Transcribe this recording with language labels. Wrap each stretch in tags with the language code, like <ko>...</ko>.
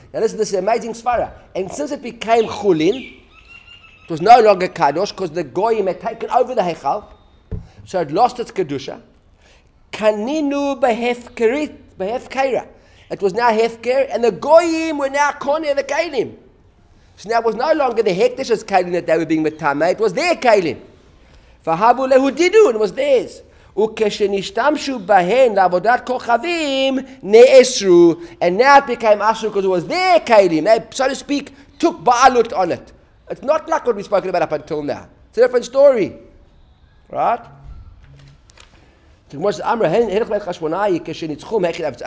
<en>Now listen, this is an amazing svara. And since it became chulin, it was no longer kadosh, because the goyim had taken over the hechal, so it lost its kedusha. Kaninu behefkerit, behefkeira. It was now hefker, and the goyim were now koneh the kelim. So now it was no longer the hekdesh's kelim that they were being metame, it was their kelim. V'havu lehudidu, it was theirs.</en> <he>וכשנשתמשו בהן לעבודת כוכבים, נאסרו.</he> <en>And now it became asur because it was their kelim. They, so to speak, took ba'alut on it. It's not like what we've spoken about up until now. It's a different story. Right? The Gemara says, Amra,</en> <he>הלך בית חשבונאי, כשניצחו מהכי לעבודת.</he>